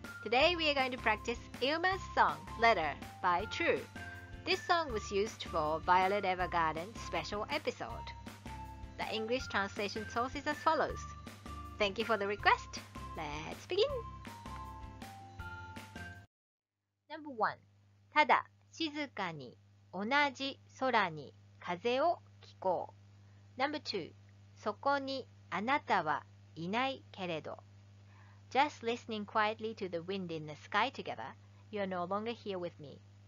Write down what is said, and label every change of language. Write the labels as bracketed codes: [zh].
[en] Today we are going to practice Ilma's song, Letter, by True. This song was used for Violet Evergarden's special episode. The English translation source is as follows. Thank you for the request. Let's begin. Number 1. [ja] ただ静かに同じ空に風を聞こう。 [en] Number 2. [ja] そこにあなたはいないけれど。 [en] Just listening quietly to the wind in the sky together, you are no longer here with me.